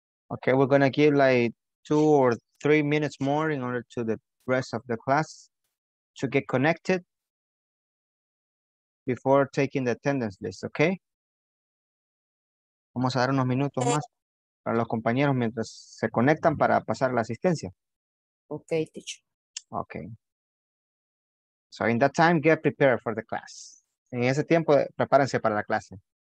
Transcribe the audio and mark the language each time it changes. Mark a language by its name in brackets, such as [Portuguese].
[English] Okay, we're gonna give like 2 or 3 minutes more in order to the rest of the class to get connected before taking the attendance list, okay? [Spanish] Vamos a dar unos minutos más para los compañeros mientras se conectan para pasar la asistencia. [English] Okay, teacher. Okay. So in that time, get prepared for the class. En ese tiempo, prepárense para la clase.